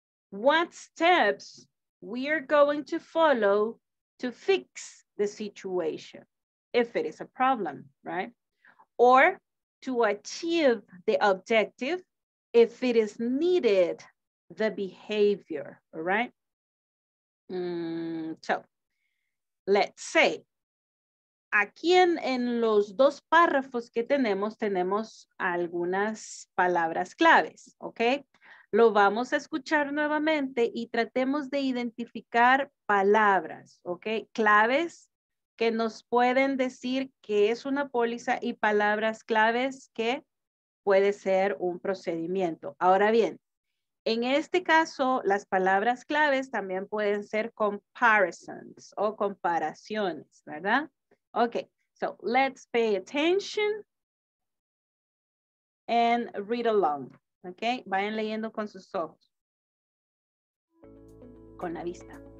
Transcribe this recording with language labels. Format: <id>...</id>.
<en>What steps we are going to follow to fix the situation if it is a problem, right? Or to achieve the objective if it is needed, the behavior, all right? So let's say,</en> <es>aquí en los dos párrafos que tenemos algunas palabras claves, ¿ok? Lo vamos a escuchar nuevamente y tratemos de identificar palabras, ¿ok? Claves que nos pueden decir qué es una póliza y palabras claves que puede ser un procedimiento. Ahora bien, en este caso, las palabras claves también pueden ser comparisons o comparaciones, ¿verdad?</es> <en>Okay, so let's pay attention and read along.</en> <es>Okay, vayan leyendo con sus ojos, con la vista.</es>